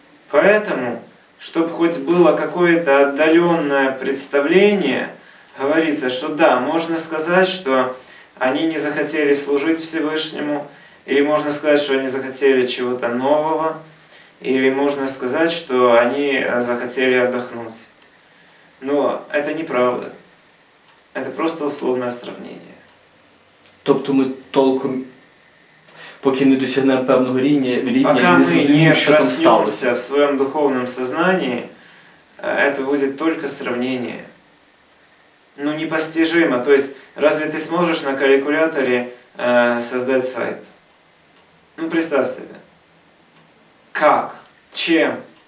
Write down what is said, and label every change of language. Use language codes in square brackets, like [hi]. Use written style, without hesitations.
[ru] Поэтому, чтобы хоть было какое-то отдаленное представление, говорится, что да, можно сказать, что они не захотели служить Всевышнему, или можно сказать, что они захотели чего-то нового, или можно сказать, что они захотели отдохнуть. Но это неправда. Это просто условное сравнение. [uk] Тобто [ru] мы толком, [uk] поки не досягнемо певного рівня, пока не зрозуміємо, що там сталося. [ru] Пока ми не проснемся в своем духовном сознании, это будет только сравнение. Ну, непостижимо. То есть, разве ты сможешь на калькуляторе создать сайт? Ну, представь себе. Как? Чем?